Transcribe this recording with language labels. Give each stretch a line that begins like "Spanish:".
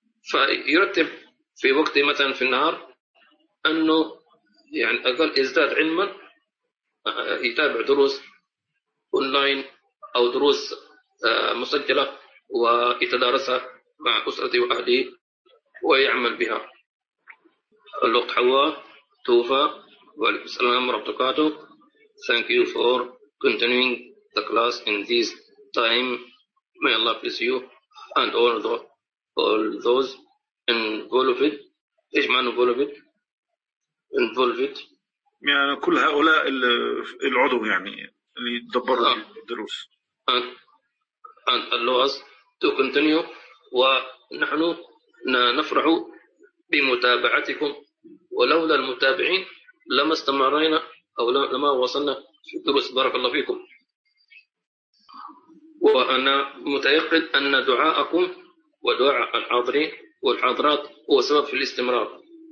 Arabic: فيرتب في وقت مثلا في النهار أنه يعني أقل يزداد علما, يتابع دروس أونلاين أو دروس مسجلة ويتدارسها مع أسرتي وأهلي ويعمل بها. الأخت حواء توفى وعليكم السلام ورحمة الله وبركاته.
English: Thank you for continuing the class in this time. May Allah bless you and all those involved.
Arabic: إيش معنى involved؟ Involved. يعني كل هؤلاء العضو يعني اللي دبر الدروس.
English: And Allah us to continue.
Arabic: ونحن نفرح بمتابعتكم, ولولا المتابعين لما استمرينا أو لما وصلنا في الدروس. بارك الله فيكم. وأنا متيقن أن دعاءكم ودعاء الحاضرين والحاضرات هو سبب في الاستمرار.